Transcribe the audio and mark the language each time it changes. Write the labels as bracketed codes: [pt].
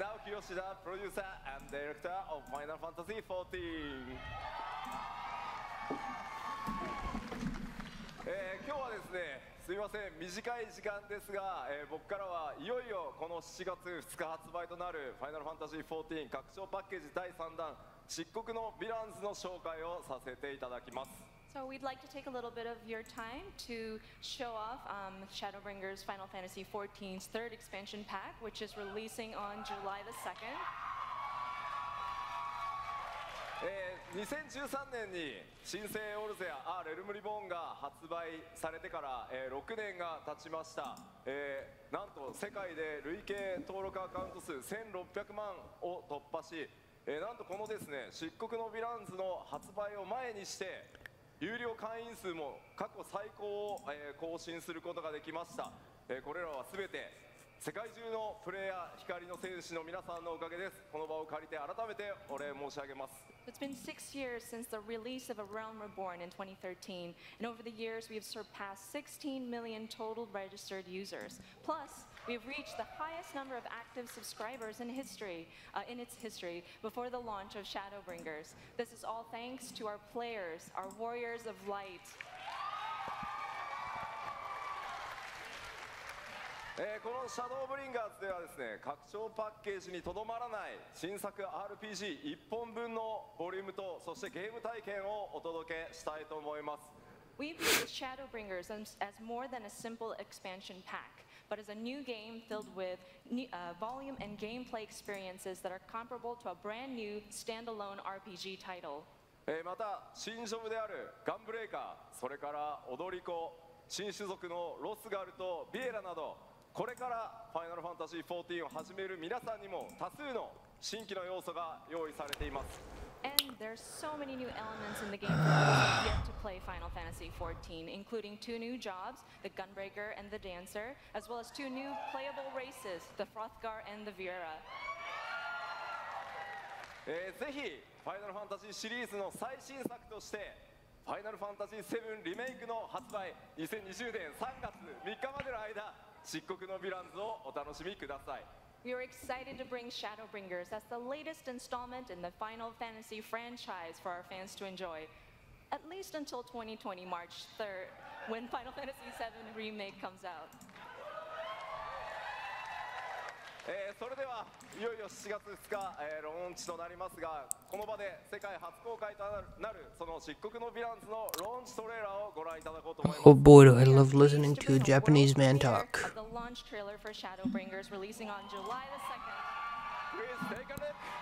[en] Yoshida, producer and director of Final Fantasy XIV. [ja] 今日はですね、すみません、短い時間ですが、僕からはいよいよこの7月2日発売となる Final Fantasy XIV 拡張パッケージ第3弾、漆黒のヴィランズの紹介をさせていただきます。 [en] So we'd like to take a little bit of your time to show off Shadowbringers Final Fantasy XIV's third expansion pack, which is releasing on July the 2nd. [ja] 2013年に新生オルゼア R エルムリボーンが発売されてから、6年が経ちました。なんと世界で累計登録アカウント数1600万を突破し、なんとこのですね、漆黒のヴィランズの発売を前にして有料会員数も過去最高を、更新することができました、これらは全て世界中のプレイヤー光の戦士の皆さんのおかげです。この場を借りて改めてお礼申し上げます。 [en] It's been 6 years since the release of A Realm Reborn in 2013, and over the years we have surpassed 16 million total registered users. Plus, we have reached the highest number of active subscribers in history, in its history, before the launch of Shadowbringers. This is all thanks to our players, our warriors of light. [ja] このシャドーブリンガーズではですね、拡張パッケージにとどまらない新作 RPG 一本分のボリュームと、そしてゲーム体験をお届けしたいと思います。 [en] We view Shadowbringers as more than a simple expansion pack, but as a new game filled with volume and gameplay experiences that are comparable to a brand new standalone RPG title. [ja] また新ジョブであるガンブレイカー、それから踊り子、新種族のロスガルとビエラなど、これからファイナルファンタジー14を始める皆さんにも多数の新規の要素が用意されています。 [en] And there's so many new elements in the game yet to play Final Fantasy 14, including two new jobs, the Gunbreaker and the Dancer, as well as two new playable races, the Frothgar and the Viera. [ja] ぜひファイナルファンタジーシリーズの最新作として、ファイナルファンタジー7リメイクの発売、2020年3月3日までの間、漆黒のヴィランズをお楽しみください。 [en] We are excited to bring Shadowbringers as the latest installment in the Final Fantasy franchise for our fans to enjoy, at least until 2020 March 3rd, when Final Fantasy 7 Remake comes out. [ja] それではいよいよ7月2日、ローンチとなりますが、この場で世界初公開となる、その漆黒のヴィランズのローンチトレーラーをご覧いただこうと思います。 [en] Oh boy, do I love listening to Japanese man talk. The launch trailer for Shadowbringers releasing on July the 2nd. Please take a look.